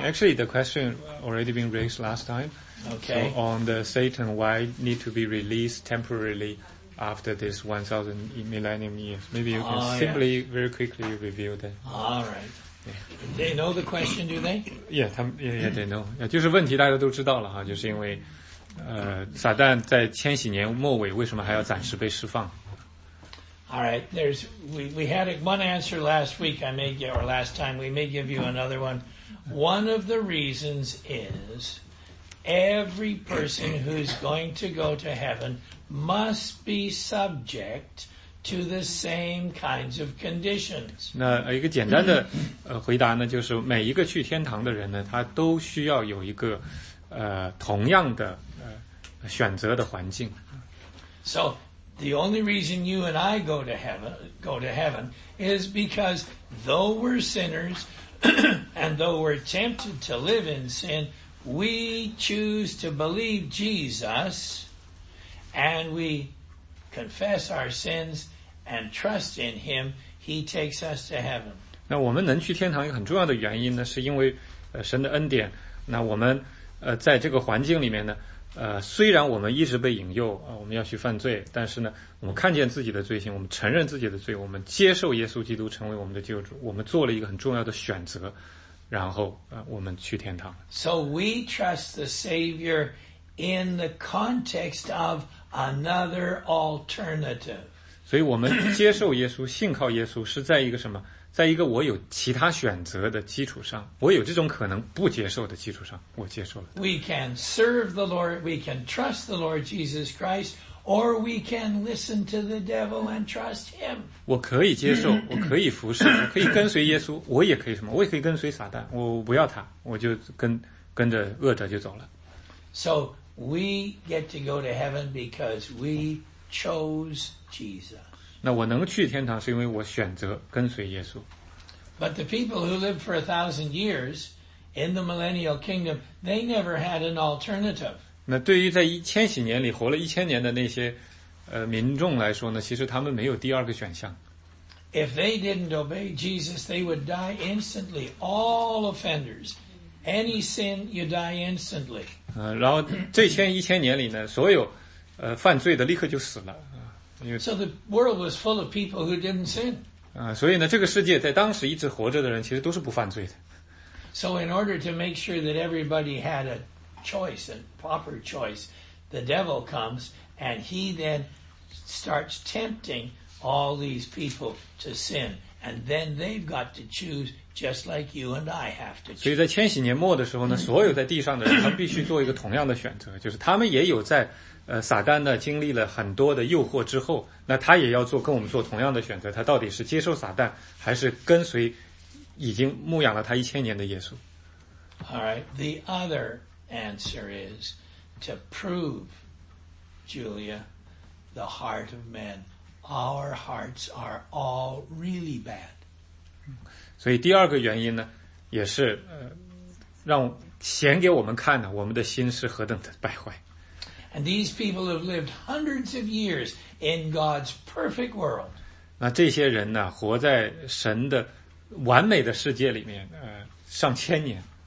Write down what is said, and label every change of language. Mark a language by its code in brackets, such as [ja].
[en] Actually, the question already been raised last time. Okay. So on the Satan, why need to be released temporarily? After this 1,000 millennium years. Maybe you can simply, very quickly review that. All right. They know the question, do they? Yeah, they know. [zh] Yeah, 就是问题大家都知道了哈，就是因为撒旦在千禧年末尾为什么还要暂时被释放。 [en] All right, we had one answer last week, last time, we may give you another one. One of the reasons is every person who's going to go to heaven must be subject to the same kinds of conditions. [zh] 那一个简单的回答呢，就是每一个去天堂的人呢，他都需要有一个同样的选择的环境。 [en] So the only reason you and I go to heaven is because though we're sinners and though we're tempted to live in sin, we choose to believe Jesus and we confess our sins and trust in him, he takes us to heaven. [zh] 那我们能去天堂一个很重要的原因呢，是因为神的恩典。那我们在这个环境里面呢，虽然我们一直被引诱啊，我们要去犯罪，但是呢，我们看见自己的罪行，我们承认自己的罪，我们接受耶稣基督成为我们的救主，我们做了一个很重要的选择，然后我们去天堂。 [en] So we trust the Savior in the context of another alternative. [zh] 所以我们接受耶稣，信靠耶稣，是在一个什么？在一个我有其他选择的基础上，我有这种可能不接受的基础上，我接受了。 [en] We can serve the Lord, we can trust the Lord Jesus Christ, or we can listen to the devil and trust him. [zh] 我可以接受，我可以服侍，我可以跟随耶稣，我也可以什么？我也可以跟随撒旦，我不要他，我就跟着恶者就走了。 [en] So we get to go to heaven because we chose Jesus. [zh] 那我能去天堂是因为我选择跟随耶稣。 [en] But the people who lived for 1,000 years in the millennial kingdom, they never had an alternative. [zh] 那对于在1000几年里活了1000年的那些民众来说呢，其实他们没有第二个选项。 [en] If they didn't obey Jesus, they would die instantly. All offenders. Any sin, you die instantly. [zh] 然后这1000年里呢，所有犯罪的立刻就死了。 [en] So the world was full of people who didn't sin. [zh] 所以呢，这个世界在当时一直活着的人其实都是不犯罪的。 [en] So in order to make sure that everybody had a choice, a proper choice, the devil comes and he then starts tempting all these people to sin. And then they've got to choose just like you and I have to choose. [zh] 所以在千禧年末的时候呢，所有在地上的人他必须做一个同样的选择，就是他们也有在撒旦呢经历了很多的诱惑之后，那他也要做跟我们做同样的选择，他到底是接受撒旦还是跟随已经牧养了他1000年的耶稣。 [en] Alright, the other answer is to prove, Julia, the heart of men. Our hearts are all really bad. [zh] 所以第二个原因呢，也是让显给我们看呢，我们的心是何等的败坏。 [en] And these people have lived hundreds of years in God's perfect world. [zh] 那这些人呢，活在神的完美的世界里面，上千年。